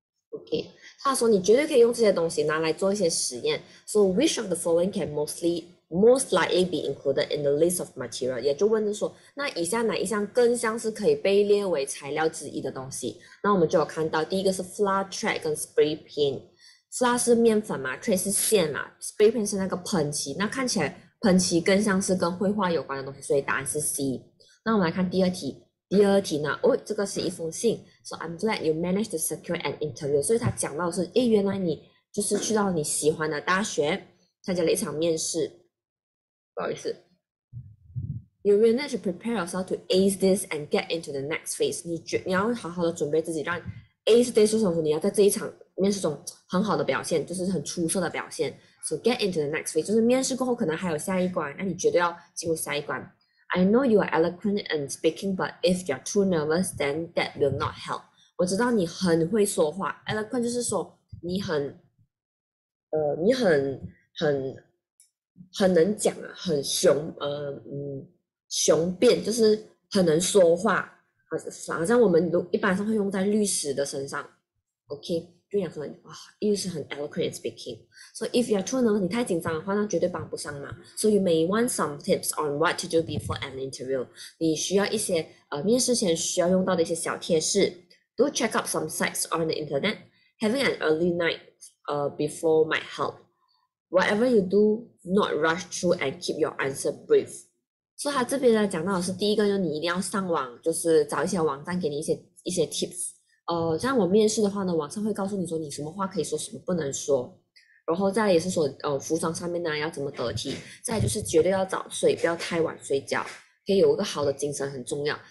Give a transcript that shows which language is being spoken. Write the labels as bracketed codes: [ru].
[zh] Okay，他说你绝对可以用这些东西拿来做一些实验。 [en] So which of the following can most likely be included in the list of material？ [zh] 也就问着说，那以下哪一项更像是可以被列为材料之一的东西？那我们就有看到，第一个是 [en] flat track [zh] 跟 [en] spray paint。 [zh] flat 是面粉嘛，track 是线嘛，spray paint 是那个喷漆。那看起来喷漆更像是跟绘画有关的东西，所以答案是 C。那我们来看第二题。第二题呢？哦，这个是一封信， [en] So I'm glad you managed to secure an interview。 [zh] 所以他讲到的是，诶，原来你就是去到你喜欢的大学，参加了一场面试。不好意思， [en] You managed to prepare yourself to ace this and get into the next phase。 [zh] 你要好好的准备自己，让 [en] ace this [zh] 是什么？你要在这一场面试中很好的表现，就是很出色的表现。 [en] So get into the next phase， [zh] 就是面试过后可能还有下一关，那你绝对要进入下一关。 [en] I know you are eloquent and speaking, but if you're too nervous, then that will not help. [zh] 我知道你很会说话，eloquent 就是说你很能讲啊，很雄雄辩，就是很能说话，好像我们一般上会用在律师的身上。 OK，就想说哇，律师很 [en] eloquent speaking。 So if you are too nervous， [zh] 你太紧张的话，那绝对帮不上忙。 [en] So you may want some tips on what to do before an interview。 [zh] 你需要一些面试前需要用到的一些小贴士。 [en] Do check up some sites on the internet. Having an early night before might help. Whatever you do, not rush through and keep your answer brief。 [zh] 所以他这边呢讲到的是第一个，就是你一定要上网，就是找一些网站给你一些 tips。像我面试的话呢，网上会告诉你说你什么话可以说，什么不能说。然后再也是说，服装上面呢要怎么得体，再来就是绝对要早睡，不要太晚睡觉，可以有一个好的精神很重要。